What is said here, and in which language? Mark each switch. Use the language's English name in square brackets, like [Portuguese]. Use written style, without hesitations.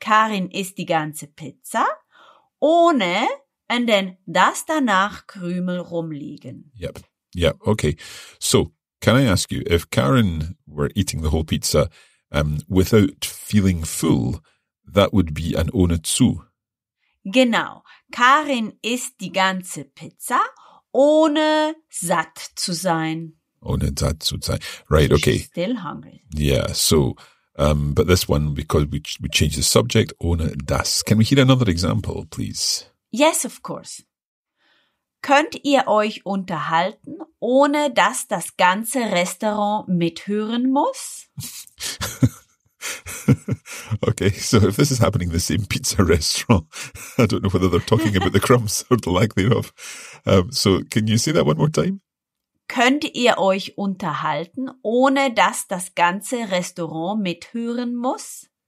[German] Karin isst die ganze Pizza. Ohne, [English] and then, [German] dass danach Krümel rumliegen. [English] Yep, yep, okay. So, can I ask you, if Karin were eating the whole pizza without feeling full, that would be an ohne zu. [German] Genau. Karin isst die ganze Pizza, ohne satt zu sein. Ohne satt zu sein. [English] Right, okay. She's still hungry. Yeah, so, but this one, because we changed the subject, ohne das. Can we hear another example, please? Yes, of course. [German] Könnt ihr euch unterhalten, ohne dass das ganze Restaurant mithören muss? [English] Okay, so if this is happening in the same pizza restaurant, I don't know whether they're talking about the crumbs or the lack thereof. So can you say that one more time? [German] Könnt ihr euch unterhalten, ohne dass das ganze Restaurant mithören muss?